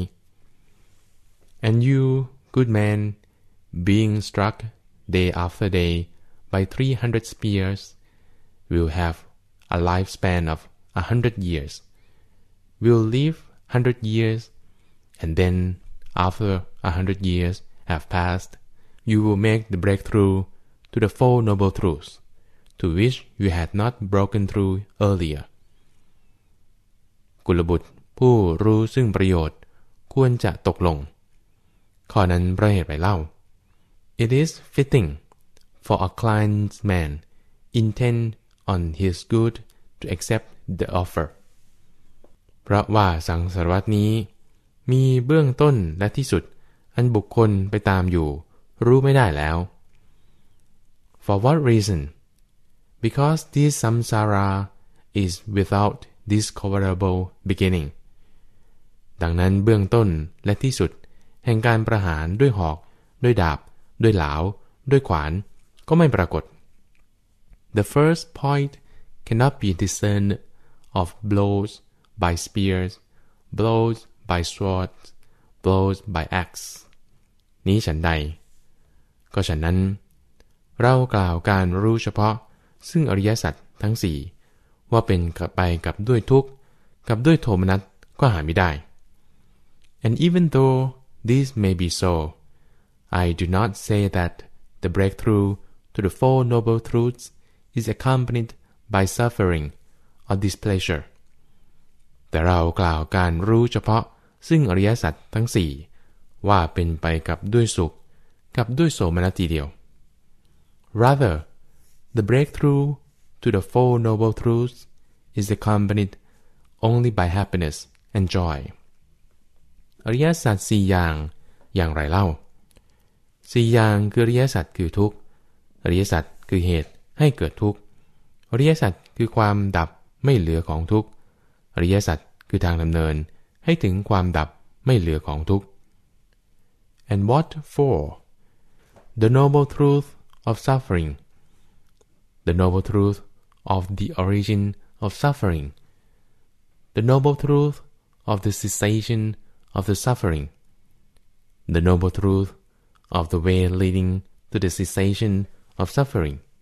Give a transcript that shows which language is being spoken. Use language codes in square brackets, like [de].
[en] And you, good man, being struck day after day by 300 spears, will have a lifespan of 100 years, will live 100 years, and then after 100 years have passed, you will make the breakthrough to the Four Noble Truths, to which you had not broken through earlier. [th] กุลบุตรผู้รู้ซึ่งประโยชน์ควรจะตกลงข้อนั้นเพราะเหตุไรเล่า [en] It is fitting for a client's man intent on his good to accept the offer. [th] เพราะว่าสังสารวัฏนี้มีเบื้องต้นและที่สุดอันบุคคลไปตามอยู่รู้ไม่ได้แล้ว [en] For what reason? Because this samsara is without discoverable beginning. [th] ดังนั้นเบื้องต้นและที่สุดแห่งการประหารด้วยหอกด้วยดาบด้วยเหลาด้วยขวานก็ไม่ปรากฏ [en] The first point cannot be discerned of blows by spears, blows by swords, blows by axe. [th] นี้ฉันใดก็ฉันนั้นเรากล่าวการรู้เฉพาะซึ่งอริยสัจทั้ง4ว่าเป็นกับไปกับด้วยทุกข์กับด้วยโทมนัสก็หาไม่ได้ [en] And even though this may be so, I do not say that the breakthrough to the Four Noble Truths is accompanied by suffering or displeasure. [th] แต่เรากล่าวการรู้เฉพาะซึ่งอริยสัจทั้ง4ว่าเป็นไปกับด้วยสุขกับด้วยโสมนัสทีเดียว [en] Rather, the breakthrough to the Four Noble Truths is accompanied only by happiness and joy. [th] อริยสัจ4อย่างอย่างไรเล่า4อย่างคืออริยสัจคือทุกข์อริยสัจคือเหตุให้เกิดทุกข์อริยสัจคือความดับไม่เหลือของทุกข์อริยสัจคือทางดำเนินให้ถึงความดับไม่เหลือของทุกข์ [en] And what for? The noble truth of suffering. The noble truth of the origin of suffering. The noble truth of the cessation of the suffering. The noble truth of the way leading to the cessation of suffering.